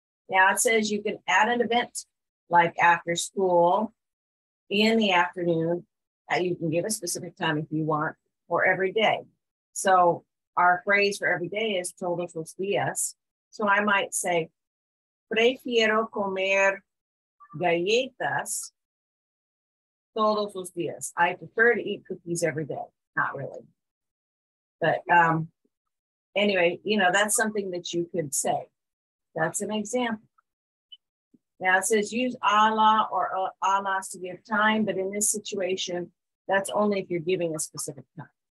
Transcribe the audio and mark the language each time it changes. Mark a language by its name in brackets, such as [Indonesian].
[English] Now it says you can add an event like after school, in the afternoon, that you can give a specific time if you want, or every day. So our phrase for every day is [Spanish] todos los días. [English] So I might say, [Spanish] prefiero comer galletas todos los días. [English] I prefer to eat cookies every day, not really. But anyway, you know, that's something that you could say. That's an example. Now it says use Allah or Allah's to give time, but in this situation, that's only if you're giving a specific time.